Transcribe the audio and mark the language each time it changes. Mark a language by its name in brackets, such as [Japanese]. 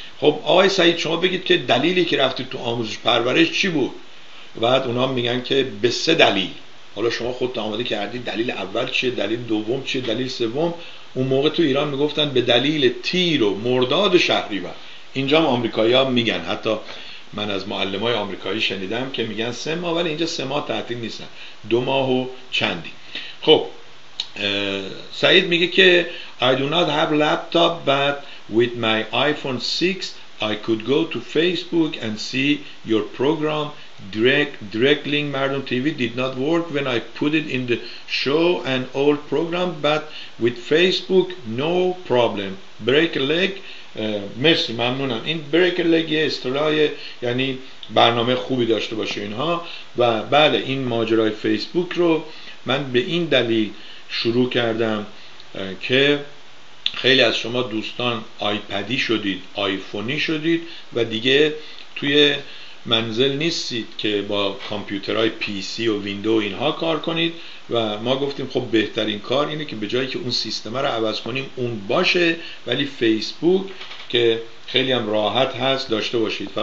[Persian] خب آقای سعید شما بگید که دلیلی که رفتید تو آموزش پرورش چی بود؟ بعد اونا میگن که به سه دلیل، حالا شما خود آماده کردی دلیل اول چیه، دلیل دوم چیه، دلیل سوم. اون موقع تو ایران میگفتن به دلیل تیر و مرداد شهری، و اینجا هم آمریکایی ها میگن، حتی من از معلم های آمریکایی شنیدم که میگن سه ماه، ولی اینجا سه ماه تعطیل نیستن، دو ماه و چندی. [English] خب سعید میگه که I do not have laptop but with my iPhone 6 I could go to Facebook and see your program. Direct link Mardon TV did not work when I put it in the show and old program, but with Facebook no problem. Break a leg. [Persian] مرسی، ممنونم. این break a leg یه اصطلاحه، یعنی برنامه خوبی داشته باشه اینها. و بله این ماجرای فیسبوک رو من به این دلیل شروع کردم که خیلی از شما دوستان آیپدی شدید، آیفونی شدید و دیگه توی منزل نیستید که با کامپیوترهای پی سی و ویندو اینها کار کنید، و ما گفتیم خب بهترین کار اینه که به جایی که اون سیستم رو عوض کنیم اون باشه، ولی فیسبوک که خیلی هم راحت هست داشته باشید.